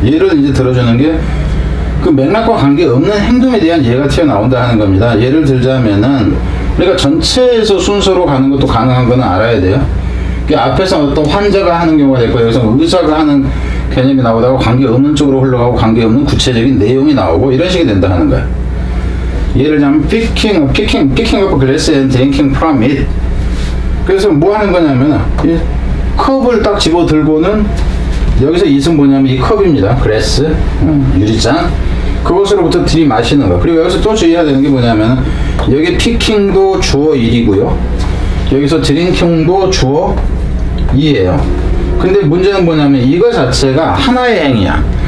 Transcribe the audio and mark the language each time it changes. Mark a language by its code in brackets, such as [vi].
[ko] 예를 이제 들어주는 게 그 맥락과 관계 없는 행동에 대한 예가 튀어나온다 하는 겁니다. 예를 들자면은 우리가 전체에서 순서로 가는 것도 가능한 거는 알아야 돼요. 앞에서 어떤 환자가 하는 경우가 될 거예요. 여기서 의사가 하는 개념이 나오다가 관계없는 쪽으로 흘러가고 관계없는 구체적인 내용이 나오고 이런 식이 된다 하는 거예요. [en] 예를 들면 picking up glass and drinking from it. [ko] 그래서 뭐 하는 거냐면 이 컵을 딱 집어 들고는 여기서 이슨 뭐냐면 이 컵입니다. 글래스, 유리잔. 그것으로부터 들이 마시는 거. 그리고 여기서 또 주의해야 되는 게 뭐냐면 여기 피킹도 주어 1이고요. 여기서 드링킹도 주어 2예요. 근데 문제는 뭐냐면 이거 자체가 하나의 행위야.